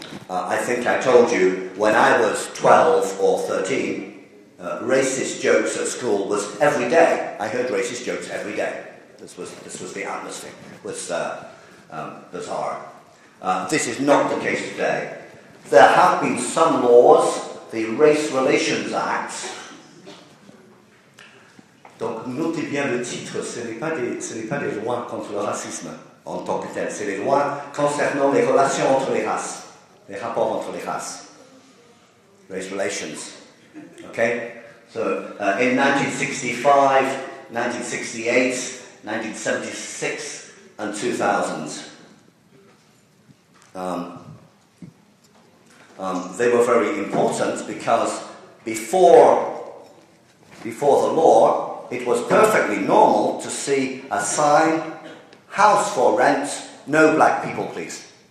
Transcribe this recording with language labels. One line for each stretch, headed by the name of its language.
English: I think I told you, when I was 12 or 13, racist jokes at school was every day. I heard racist jokes every day. This was the atmosphere. It was bizarre. This is not the case today. There have been some laws, the Race Relations Act.
French: Donc notez bien le titre. Ce n'est pas des lois contre le racisme en tant que tel. C'est les lois concernant les relations entre les races, les rapports entre les races.
English: Race relations. Okay. So, in 1965, 1968, 1976, and 2000, they were very important because before the law, it was perfectly normal to see a sign, house for rent, no black people, please.